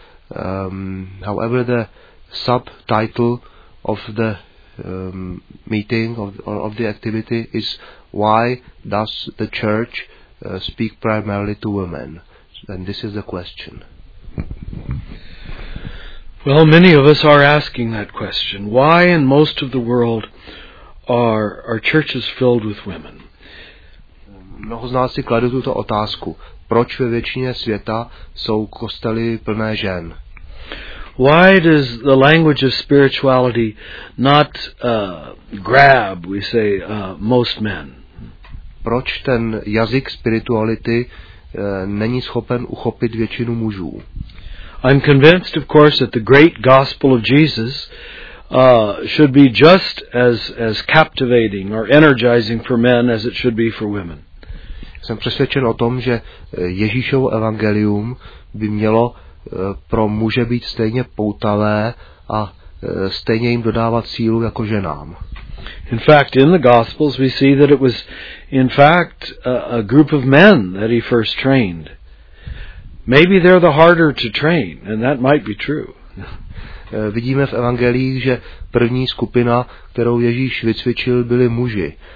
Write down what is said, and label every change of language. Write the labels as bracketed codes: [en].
[en] However, the subtitle of the meeting of the activity is why does the church speak primarily to women? And this is the question. Well, many of us are asking that question. Why in most of the world are churches filled with women? [cs] Mnoho z nás si kladu tuto otázku. Proč ve většině světa jsou kostely plné žen? [en] Why does the language of spirituality not grab, we say, most men? [cs] Proč ten jazyk spirituality není schopen uchopit většinu mužů? [en] I'm convinced, of course, that the great gospel of Jesus should be just as captivating or energizing for men as it should be for women. [cs] Jsem přesvědčen o tom, že Ježíšovo evangelium by mělo pro muže být stejně poutavé a stejně jim dodávat sílu jako ženám. [en] In fact, in the Gospels, we see that it was, in fact, a group of men that he first trained. Maybe they're the harder to train, and that might be true. [cs] Vidíme v evangeliích, že první skupina, kterou Ježíš vycvičil, byli muži.